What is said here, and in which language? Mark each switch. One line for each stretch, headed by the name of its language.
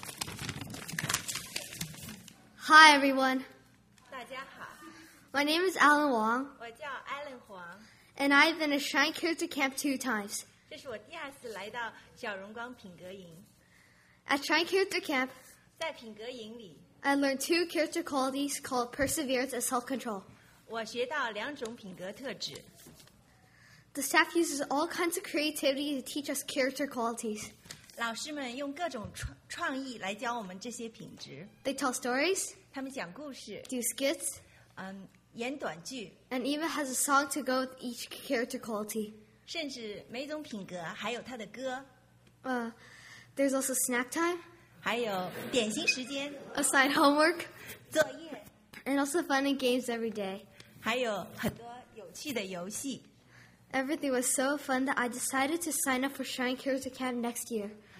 English: Hi everyone，
Chinese: 大家好。
English: My name is Alan Wong，
Chinese: 我叫 Alan 黄。
English: And I've been to Shine Character Camp 2 times。
Chinese: 这是我第二次来到小荣光品格营。
English: At Shine Character Camp,
Chinese: 在品格营里,
English: I learned 2 character qualities called perseverance and self-control.
Chinese: 我学到两种品格特质。
English: The staff uses all kinds of creativity to teach us character qualities.
Chinese: 老师们用各种创意来教我们这些品质。
English: They tell stories,
Chinese: 他们讲故事,
English: do skits,
Chinese: 演短剧,
English: and even has a song to go with each character quality.
Chinese: 甚至每种品格还有他的歌。
English: There's also snack time,
Chinese: 还有点心时间,
English: assigned homework,
Chinese: 作业,
English: and also fun and games every day,
Chinese: 还有很多有趣的游戏。
English: Everything was so fun that I decided to sign up for Shine Character Camp next year.